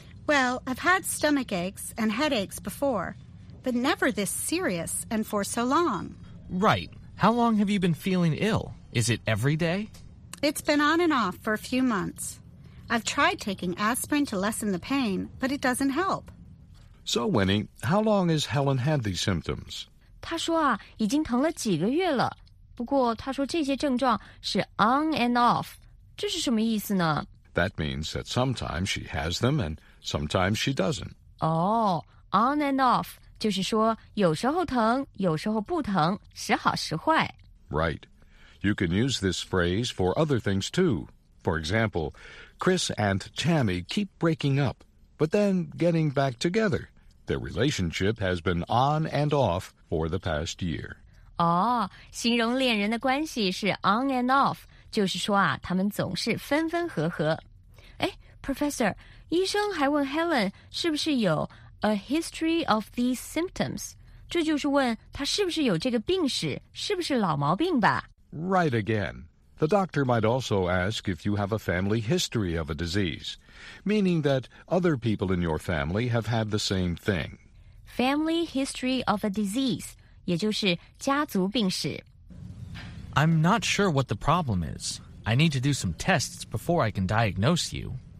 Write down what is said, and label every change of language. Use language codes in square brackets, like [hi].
[en] Well, I've had stomach aches and headaches before, but never this serious and for so long. Right. How long have you been feeling ill? Is it every day? It's been on and off for a few months. I've tried taking aspirin to lessen the pain, but it doesn't help. So, Winnie, how long has Helen had these symptoms? [zh] 她说啊，已经疼了几个月了。不过她说这些症状是 [en] on and off， [zh] 这是什么意思呢？ [en] That means that sometimes she has them and sometimes she doesn't. [zh] Oh, [en] on and off [zh] 就是说有时候疼，有时候不疼，时好时坏。 [en] Right. You can use this phrase for other things too. For example, Chris and Tammy keep breaking up. But then getting back together, their relationship has been on and off for the past year. [zh] Oh, 形容恋人的关系是 [en] on and off, [zh] 就是说啊，他们总是分分合合。哎 ,Professor, 医生还问 Helen 是不是有 [en] a history of these symptoms? [zh] 这就是问他是不是有这个病史，是不是老毛病吧。 [en] Right again. The doctor might also ask if you have a family history of a disease, meaning that other people in your family have had the same thing. Family history of a disease, [zh] 也就是家族病史。 [en] I'm not sure what the problem is. I need to do some tests before I can diagnose you.